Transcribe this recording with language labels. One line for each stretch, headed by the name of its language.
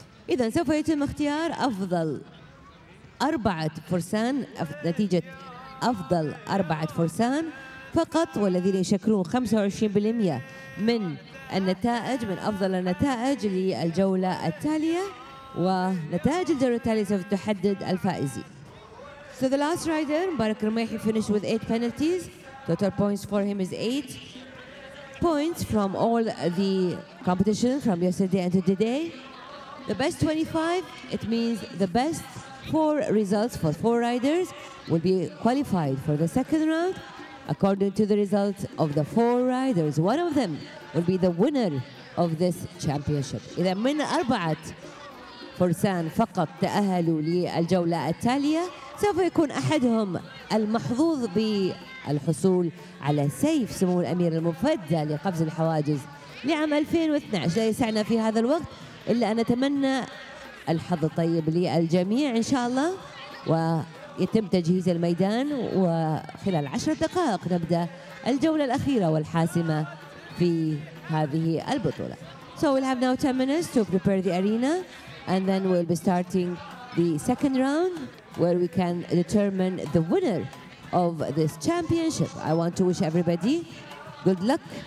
Arabic: إذن سوف يتم اختيار أفضل أربعة فرسان، نتيجة أفضل أربعة فرسان فقط، والذين يشكلون 25% من النتائج، من أفضل النتائج للجولة التالية، ونتائج الجولة التالية سوف تحدد الفائزين.
English: So the last rider, Mubarak Rumaihi, finished with 8 penalties. Total points for him is 8 points from all the competition from yesterday and to today. The best 25, it means the best 4 results for 4 riders will be qualified for the second round. According to the results of the 4 riders, one of them will be the winner of this championship.
Arabic: إذا من أربعة فرسان فقط تأهلوا للجولة التالية سوف يكون أحدهم المحظوظ بالحصول على سيف سمو الأمير المفدى لقفز الحواجز لعام 2012. لا يسعنا في هذا الوقت إلا أن نتمنى الحظ الطيب للجميع إن شاء الله، ويتم تجهيز الميدان، وخلال 10 دقائق نبدأ الجولة الأخيرة والحاسمة في هذه البطولة.
English: So we'll have now 10 minutes to prepare the arena and then we'll be starting the second round where we can determine the winner of this championship. I want to wish everybody good luck.